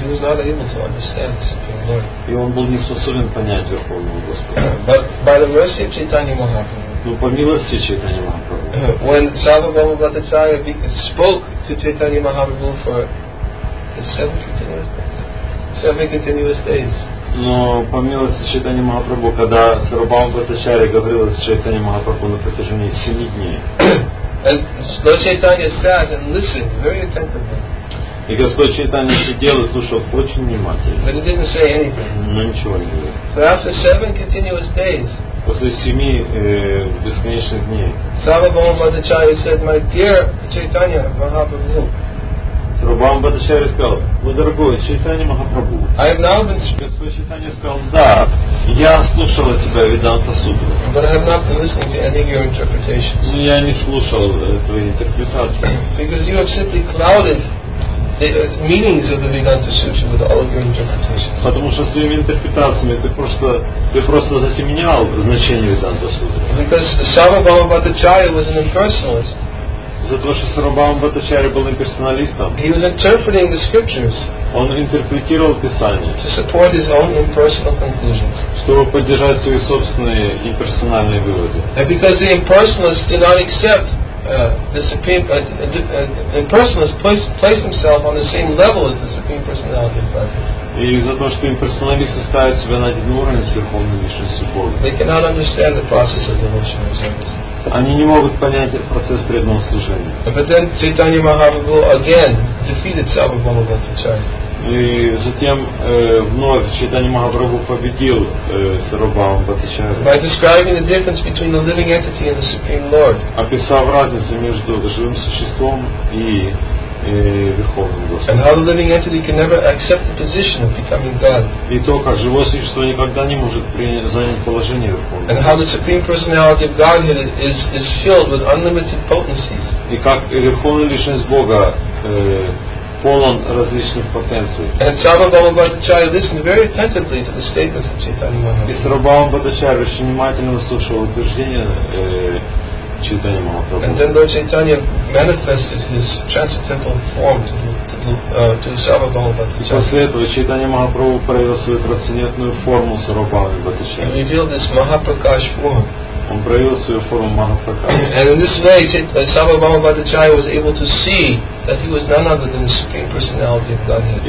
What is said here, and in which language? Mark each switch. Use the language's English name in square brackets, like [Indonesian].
[English] He was not able to understand the Supreme Lord. [Russian] И он был не способен понять Верховного Господа. [English] But by the mercy of Chaitanya Mahaprabhu. [Russian] Но по милости Чайтанья Махапрабху. [English] When Сарвабхаума Бхаттачарья spoke to Chaitanya Mahaprabhu for seven continuous days. [Russian] Но по милости Чайтанья Махапрабху, когда Сарвабхаума Бхаттачарья говорил с Чайтанья Махапрабху на протяжении 7 дней. [English] And Lord Chaitanya sat and listened very attentively. [Russian] И Господь Чайтанья сидел и слушал очень внимательно. [English] But he didn't say anything. [Russian] Но ничего не говорил. [English] So after 7 continuous days. [Russian] После 7 бесконечных дней. [English] Сарвабхаума Бхаттачарья said, "My dear Chaitanya Mahaprabhu." [Russian] Рабхам Бхаттачарья сказал, мой дорогой, Чайтанья Махапрабху. [English] I have now been speaking. [Russian] Господь Чайтанья сказал, да, я слушал от тебя Веданта Сутру. [English] But I have not been listening to any of your interpretations. [Russian] Но я не слушал твои интерпретации. [English] Because you have simply clouded the meanings of the Vedanta Sutra with all of your interpretations. [Russian] Потому что своими интерпретациями ты просто затемнял значение Веданта Сутры. [English] Because Сарвабхаума Бхаттачарья was an impersonalist. [Russian] За то, что Сарвабхаума Бхаттачарья был имперсоналистом. [English] He was interpreting the scriptures. [Russian] он интерпретировал Писание, [English] to support his own impersonal conclusions. [Russian] Чтобы поддержать свои собственные имперсональные выводы. [English] And because the impersonalists did not accept the supreme, the impersonalists placed himself on the same level as the supreme personality of God. [Russian] И из-за того, что имперсоналисты ставят себя на один уровень с Верховной Личностью Бога. [English] They cannot understand the process of devotional service. [Russian] Они не могут понять процесс преданного служения. [English] But then Chaitanya Mahaprabhu again defeated Sarvabhaumavatacharya. [Russian] И затем вновь Чайтанья Махапрабху победил Сарвабхаумавачарью. [English] By describing the difference between the living entity and the Supreme Lord. [Russian] Описав разницу между живым существом и Верховным Господом. [English] And how the living entity can never accept the position of becoming God. [Russian] И то, как живое существо никогда не может занять положение Верховного. [English] And how the Supreme Personality of Godhead is filled with unlimited potencies. [Russian] И как Верховная Личность Бога полон различных потенций. [English] And Sarvabhaumavatacharya listened very attentively to the statements of Chaitanya Mahaprabhu. [Russian] И Сарвабхаумавачарья очень внимательно слушал утверждения Чайтанья Махапрабху. [English] And then Lord Chaitanya manifested his transcendental form to Sarvabhaumavatacharya. [Russian] И после этого Чайтанья Махапрабху проявил свою трансцендентную форму Сарвабхаумавачарья. [English] And revealed this Mahaprakash form. [Russian] Он проявил свою форму Махапракаша. [English] And in this way, Sarvabhaumavatacharya was able to see that he was none other than the Supreme Personality of Godhead.